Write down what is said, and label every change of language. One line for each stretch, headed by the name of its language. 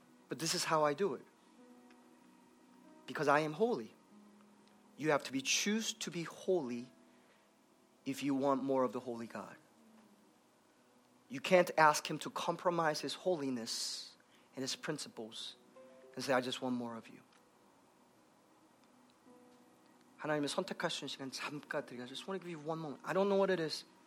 English: But this is how I do it. Because I am holy. You have to be choose to be holy if you want more of the holy God. You can't ask him to compromise his holiness and his principles and say, I just want more of you.
Korean: 하나님의 선택하시는 시간 잠깐 드리겠습니다.
English: I just want to give you one moment. I don't know what it is.